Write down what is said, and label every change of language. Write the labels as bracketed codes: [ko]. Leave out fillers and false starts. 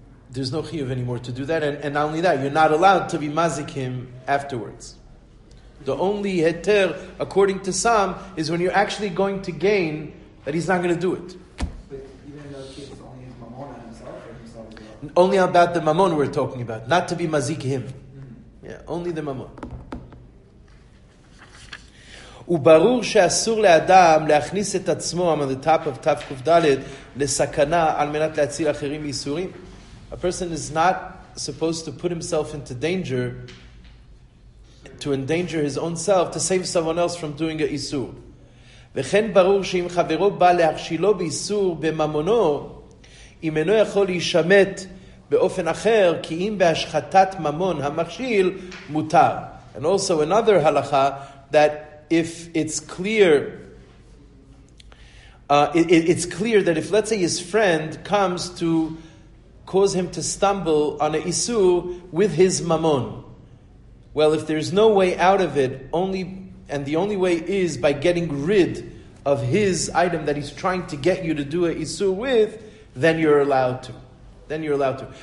[en] There's no chiyuv anymore to do that, and not only that, you're not allowed to be mazik him afterwards. The only heter, according to some, is when you're actually going to gain that he's not going to do it. But even though it's only mamon himself, and only about the mamon we're talking about, not to be mazik him. Mm-hmm. Yeah, only the mamon. [he] וברור שאסור לאדם להכניס את עצמו [en] on the top of Tav Kuf Dalet [he] לסכנה על מנת להציל אחרים מייסורים. [en] A person is not supposed to put himself into danger, to endanger his own self, to save someone else from doing a isur. [he] וכן ברור שאם חברו בא להכשילו באיסור בממונו, אם אינו יכול להישמת באופן אחר, כי אם בהשחטת ממון המכשיל, מותר. [en] And also another halakha, that if it's clear... it's clear that if, let's say, his friend comes to cause him to stumble on a isu with his mamon. Well, if there's no way out of it, only, and the only way is by getting rid of his item that he's trying to get you to do a isu with, then you're allowed to. Then you're allowed to.